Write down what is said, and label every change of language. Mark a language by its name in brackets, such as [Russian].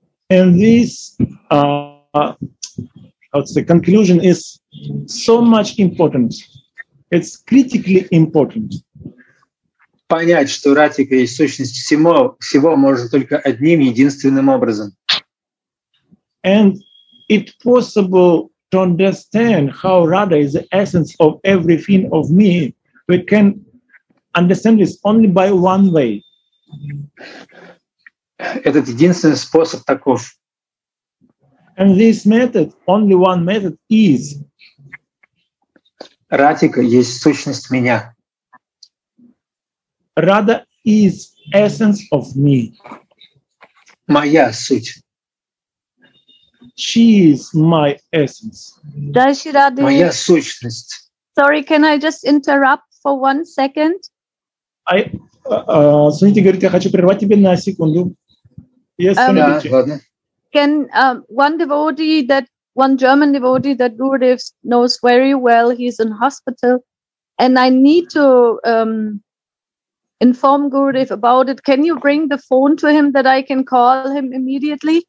[English] And this conclusion is so much important. It's critically important. [Russian] Понять, что Радхика есть сущность всего можно только одним единственным образом. [English] And it possible to understand how Radha is the essence of everything of me, we can understand this only by one way. [Russian] Этот единственный способ таков. [English] And this method, only one method is. [Russian] Радхика есть сущность меня. [English] Radha is essence of me. [Russian] Моя суть. [English] She is my essence. Does she Radha? [Russian] Моя сущность. [English] Sorry, can I just interrupt for one second? [Russian] Сунити говорит, я хочу прервать тебя на секунду. [English] Yes, [Russian] ладно. [English] Can one devotee, that one German devotee that Gurudev knows very well, he's in hospital, and I need to inform Gurudev about it. Can you bring the phone to him that I can call him immediately?